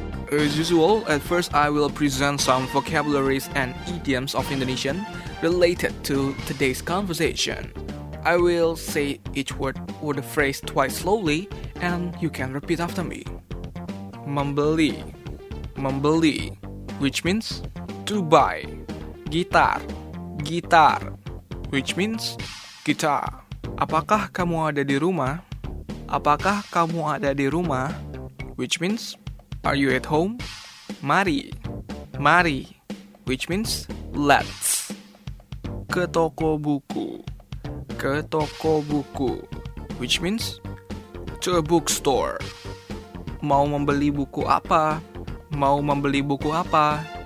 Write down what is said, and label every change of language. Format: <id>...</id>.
<en>As usual, at first I will present some vocabularies and idioms of Indonesian related to today's conversation. I will say each word or the phrase twice slowly and you can repeat after me.</en> <id>Membeli, membeli,</id> <en>which means to buy.</en> <id>Gitar, gitar,</id> <en>which means guitar.</en> <id>Apakah kamu ada di rumah? Apakah kamu ada di rumah?</id> <en>Which means are you at home?</en> <id>Mari, mari,</id> <en>which means let's.</en> <id>Ke toko buku, ke toko buku,</id> <en>which means to a bookstore.</en> <id>Mau membeli buku apa? Mau membeli buku apa?</id>